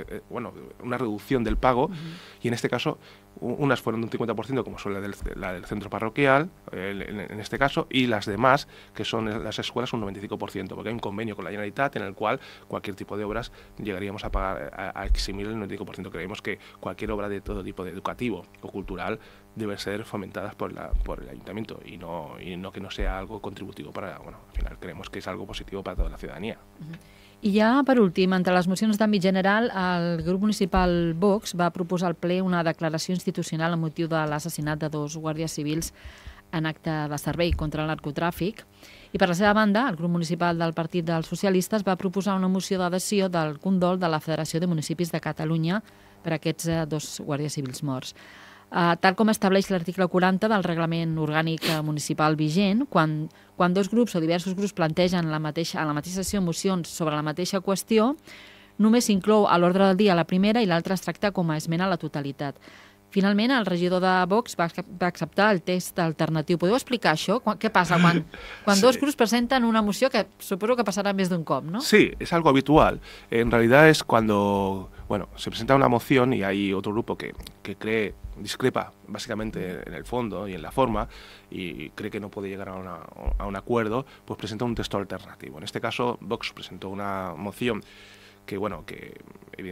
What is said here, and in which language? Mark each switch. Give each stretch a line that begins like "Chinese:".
Spanish: bueno, una reducción del pago, y en este caso unas fueron de un 50%, como son la del centro parroquial, en este caso, y las demás, que son las escuelas, un 95%, porque hay un convenio con la Generalitat en el cual cualquier tipo de obras llegaríamos a pagar, a eximir el 95%. Creemos que cualquier obra de todo tipo de educativo o cultural debe ser fomentada por el ayuntamiento y no que no sea algo contributivo para, bueno, al final creemos que es algo positivo para toda la ciudadanía.
Catalan: I ja, per últim, entre les mocions d'àmbit general, el grup municipal Vox va proposar al ple una declaració institucional amb motiu de l'assassinat de dos guàrdies civils en acte de servei contra el narcotràfic. I per la seva banda, el grup municipal del Partit dels Socialistes va proposar una moció d'adhesió del condol de la Federació de Municipis de Catalunya per aquests dos guàrdies civils morts. Tal com estableix l'article 40 del reglament orgànic municipal vigent, quan dos grups o diversos grups plantegen a la mateixa sessió mocions sobre la mateixa qüestió, només s'inclou a l'ordre del dia la primera i l'altra es tracta com a esmena a la totalitat. Finalment, el regidor de Vox va acceptar el text alternatiu. Podeu explicar això? Què passa quan dos grups presenten una moció que suposo que passarà més d'un cop, no? Sí, és algo habitual. En realitat és quan,
Spanish: bueno, se presenta una moció i hi ha otro grup que cree, discrepa básicamente en el fondo y en la forma y cree que no puede llegar a un acuerdo, pues presenta un texto alternativo. En este caso, Vox presentó una moción que, bueno, que evidentemente...